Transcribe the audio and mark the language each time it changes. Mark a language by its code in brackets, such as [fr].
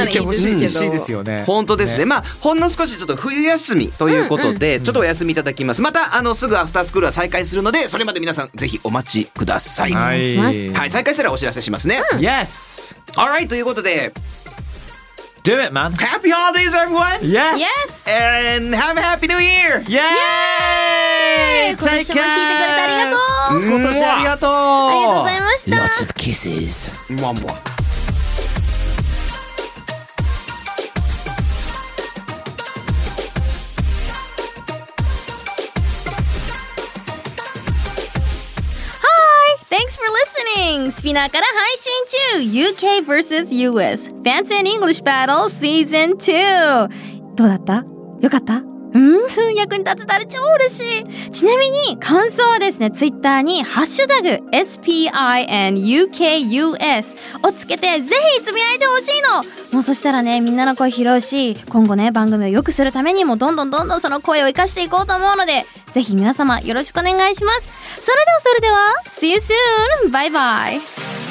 [ja] 聞いてほしいですよね。本当ですね。まあほんの少しちょっと冬休みということでちょっとお休みいただきます。またすぐアフタースクールは再開するので、それまで皆さんぜひお待ちください。お願いします。はい、再開したらお知らせしますね。 [en] Yes. Alright, [ja] ということで [en] Do it, man. Happy holidays, everyone. Yes. Yes. And have a happy new year. Yay. Yay! Take care. [ja] 今年も聞いてくれてありがとう。今年ありがとう。ありがとうございました。 [en] Lots of kisses. [ja] もわもわ。 [en] Thanks for listening! [ja] スピナーから配信中 [en] UK vs. US Fancy and English Battle Season 2! [ja] どうだった？よかった？役に立てたら超嬉しい。ちなみに感想はですね、ツイッターにハッシュタグ SPINUKUS をつけてぜひつぶやいてほしいの。もうそしたらね、みんなの声拾うし、今後ね番組を良くするためにもどんどんどんどんその声を生かしていこうと思うので、ぜひ皆様よろしくお願いします。それではそれでは [en] See you soon! Bye bye!